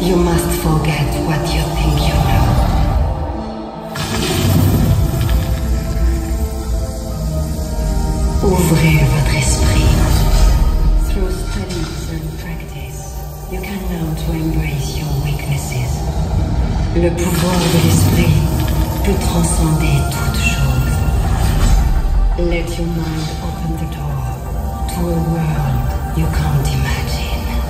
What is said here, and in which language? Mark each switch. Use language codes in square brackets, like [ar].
[en] You must forget what you think you know. [fr] Ouvrez votre esprit. [en] Through studies and practice, you can learn to embrace your. [fr] Le pouvoir de l'esprit peut transcender toute chose. [en] Let your mind open the door to a world you can't imagine.